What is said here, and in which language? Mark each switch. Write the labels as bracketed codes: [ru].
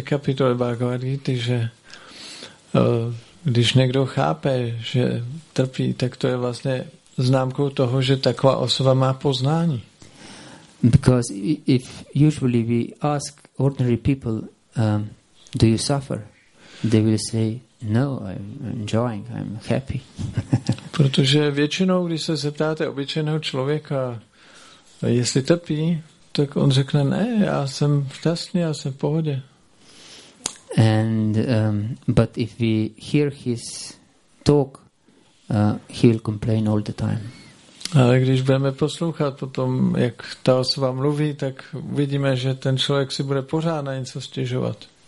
[cs] kapitole Bhagavad Gita, že když někdo chápe, že trpí, tak to je vlastně známkou toho, že taková osoba má poznání. [en] Because if usually we ask ordinary people, do you suffer? They will say, no, I'm enjoying, I'm happy. [cs] Protože většinou, když se zeptáte obyčejného člověka, jestli trpí, tak on řekne, ne, já jsem šťastný, já jsem v pohodě. [en] And but if we hear his talk, he will complain all the time. [cs] Ale když budeme poslouchat potom, jak ta osoba mluví, tak vidíme, že ten člověk si bude pořád na něco stěžovat.